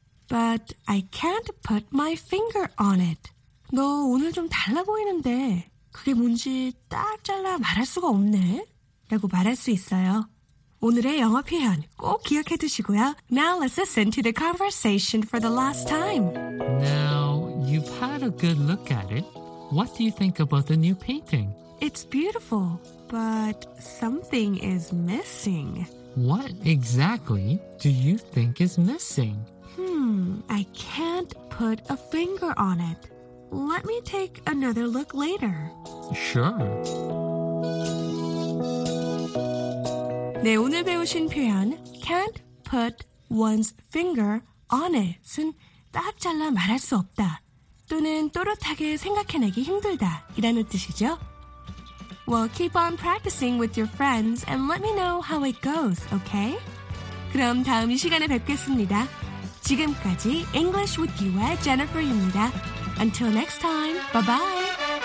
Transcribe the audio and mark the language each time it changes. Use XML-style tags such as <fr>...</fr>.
<en>But I can't put my finger on it.</en> <ko>너 오늘 좀 달라 보이는데 그게 뭔지 딱 잘라 말할 수가 없네. 라고 말할 수 있어요. 오늘의 영어 표현 꼭 기억해 두시고요.</ko> <en>Now let's listen to the conversation for the last time. Now you've had a good look at it. What do you think about the new painting? It's beautiful, but something is missing. What exactly do you think is missing? I can't put a finger on it. Let me take another look later. Sure.</en> <ko>네, 오늘 배우신 표현 can't put one's finger on it은 딱 잘라 말할 수 없다 또는 또렷하게 생각해내기 힘들다 이라는 뜻이죠.</ko> <en>Well, keep on practicing with your friends and let me know how it goes, okay?</en> <ko>그럼 다음 이 시간에 뵙겠습니다. 지금까지</ko> <en>English with You의 Jennifer입니다. Until next time, bye-bye.</en>